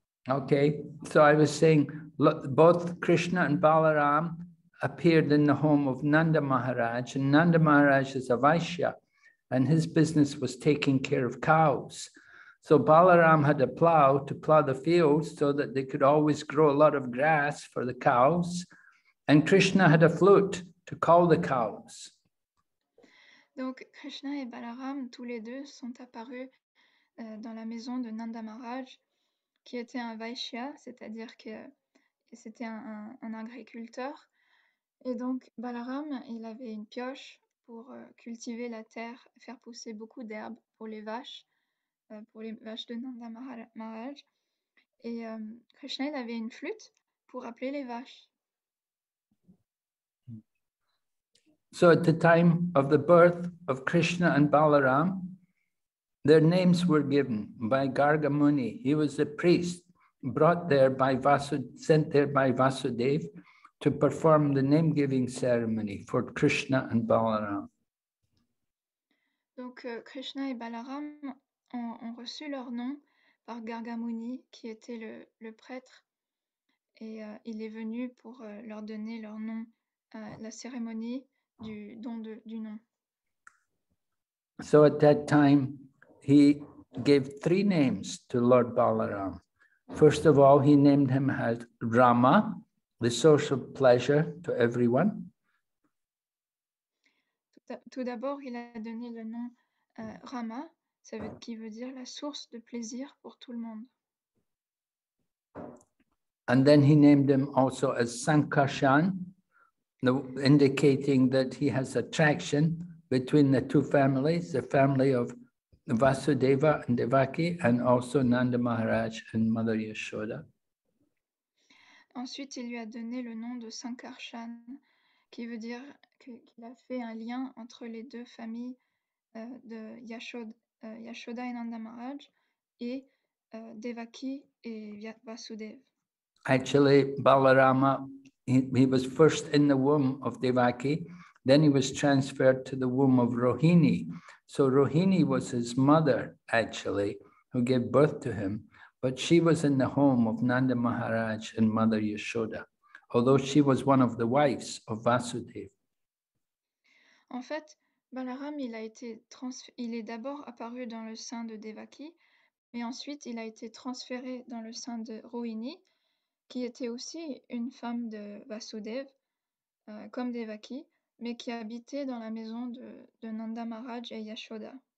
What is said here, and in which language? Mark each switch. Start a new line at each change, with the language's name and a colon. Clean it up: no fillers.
English: Okay, so I was saying, look, both Krishna and Balaram appeared in the home of Nanda Maharaj, and Nanda Maharaj is a Vaishya, and his business was taking care of cows. So Balaram had a plow to plow the fields so that they could always grow a lot of grass for the cows, and Krishna had a flute to call the cows.
French: Donc Krishna et Balaram, tous les deux, sont apparus dans la maison de Nanda Maharaj, qui était un Vaishya, c'est-à-dire que c'était un agriculteur. Et donc Balaram, il avait une pioche pour cultiver la terre, faire pousser beaucoup d'herbes pour les vaches de Nanda Maharaj. Et Krishna, il avait une flûte pour appeler les vaches.
English: So at the time of the birth of Krishna and Balaram, their names were given by Garga Muni. He was a priest sent there by Vasudev to perform the name-giving ceremony for Krishna and Balaram.
French: Donc Krishna et Balaram ont reçu leur nom par Garga Muni, qui était le prêtre, et il est venu pour leur donner leur nom à la cérémonie du don du nom.
English: So at that time, he gave three names to Lord Balaram. First of all, he named him as Rama, the source of pleasure to everyone.
French: Tout d'abord, il a donné le nom Rama, qui veut dire la source de plaisir pour tout le monde.
English: And then he named him also as Sankarshan, indicating that he has attraction between the two families, the family of Vasudeva and Devaki, and also Nanda Maharaj and Mother Yashoda.
French: Ensuite, il lui a donné le nom de Sankarshan, qui veut dire qu'il a fait un lien entre les deux familles de Yashoda et Nanda Maharaj, et Devaki et Vasudeva.
English: Actually, Balarama, he was first in the womb of Devaki, then he was transferred to the womb of Rohini. So Rohini was his mother, actually, who gave birth to him, but she was in the home of Nanda Maharaj and Mother Yashoda, although she was one of the wives of Vasudev.
French: En fait, Balaram, il est d'abord apparu dans le sein de Devaki, mais ensuite il a été transféré dans le sein de Rohini, qui était aussi une femme de Vasudev, comme Devaki, mais qui habitait dans la maison de Nanda Maharaj et Yashoda.